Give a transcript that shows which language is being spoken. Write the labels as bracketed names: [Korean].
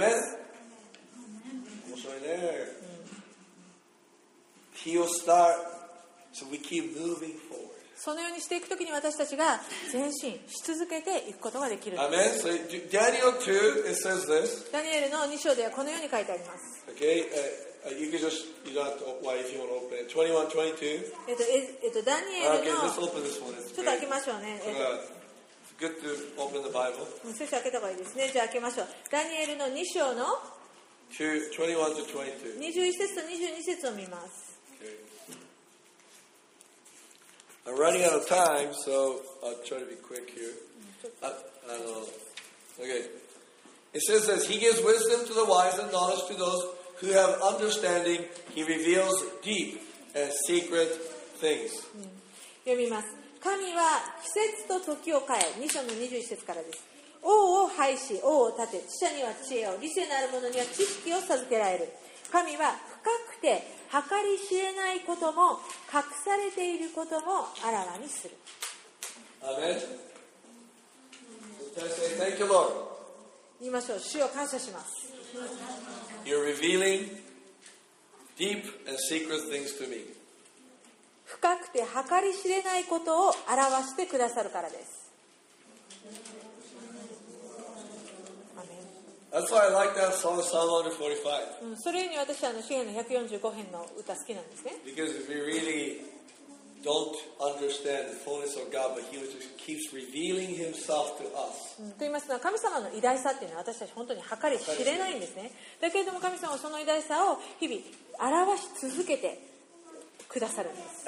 [Japanese] Amen. 面白いね。 [English] He will start, so we keep moving forward. [Japanese] そのようにしていくときに私たちが前進し続けていくことができるんです。 [English] Amen. So Daniel 2, it says this. [Japanese] ダニエルの2章ではこのように書いてあります。 [English] Okay. You can just, you don't have to, why if you want to open it. 21, 22. [Japanese] ダニエルの、 [English] okay, let's open this one. [Japanese] ちょっと開けましょうね。 [English] It's good to open the Bible. [Japanese] 少し開けた方がいいですね。じゃあ開けましょう。ダニエルの2章の [English] 21 to 22. [Japanese] 21節と22節を見ます。 [English] Okay. I'm running out of time, so I'll try to be quick here. Okay. It says this, He gives wisdom to the wise and knowledge to those... Who have understanding, he reveals deep and secret things. [Japanese] 読みます。神は季節と時を変え、2章の21節からです。王を廃し、王を立て、知者には知恵を、理性のある者には知識を授けられる。神は深くて計り知れないことも、隠されていることもあらわにする。 [English] アメン。Thank you, Lord. [Japanese] 言いましょう。主を感謝します。 [English] You're revealing deep and secret things to me. [Japanese] 深くて計り知れないことを表してくださるからです。 [English] That's why I like that song, Psalm 145. [Japanese] うん、それに私はあの詩編の145編の歌好きなんですね。 [English] Because we really don't understand the fullness of God, but He just keeps revealing Himself to us. [Japanese] と言いますのは、神様の偉大さっていうのは私たち本当に計り知れないんですね。だけれども神様はその偉大さを日々表し続けてくださるんです。